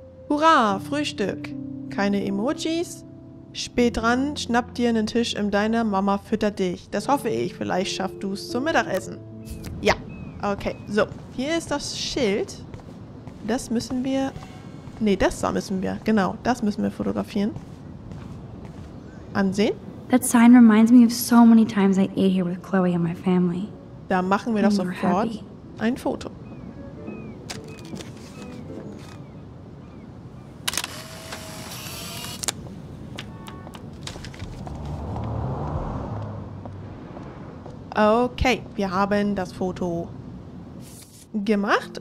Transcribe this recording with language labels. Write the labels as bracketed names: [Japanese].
[German] Hurra, Frühstück. Keine Emojis, Spät dran, schnapp dir einen Tisch im Diner, Mama füttert dich. Das hoffe ich, vielleicht schaffst du es zum Mittagessen. Ja, okay, so. Hier ist das Schild. Das müssen wir... Nee, das da müssen wir, genau, das müssen wir fotografieren. Ansehen. [English] That sign reminds me of so many times I ate here with Chloe and my family. [German] Da machen wir doch sofort ein Foto. Okay, wir haben das Foto gemacht.